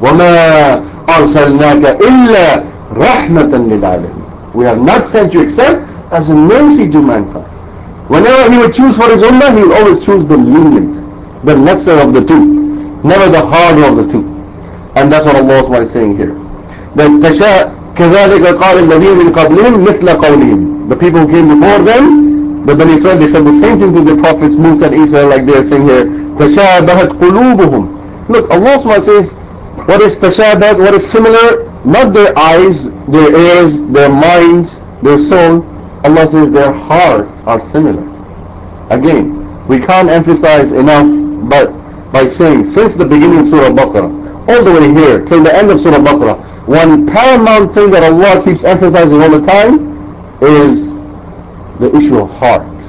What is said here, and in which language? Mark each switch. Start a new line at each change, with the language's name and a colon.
Arabic: وَمَا أَرْسَلْنَاكَ إِلَّا رَحْمَةً لِلْعَالَمِينَ.
English: We have not sent you except as a mercy to mankind. Whenever he would choose for his ummah, he would always choose the lenient, the lesser of the two, never the harder of the two. And that's what Allah is saying here. That
Arabic: تَشَاءَ كَذَلِكَ قَالَ الَّذِينَ مِنْ قَبْلِهِمْ مِثْلَ قَوْلِهِمْ.
English: The people who came before them, the Bani Israel, they said the same thing to the prophets Musa and Isa, like they are saying here,
Arabic: تَشَابَهَتْ قُلُوبُهُمْ.
English: Look, Allah says, what is تَشَابَهَتْ, what is similar? Not their eyes, their ears, their minds, their soul. Allah says their hearts are similar. Again, we can't emphasize enough, but by saying, since the beginning of Surah Baqarah, all the way here, till the end of Surah Baqarah, one paramount thing that Allah keeps emphasizing all the time is the issue of heart.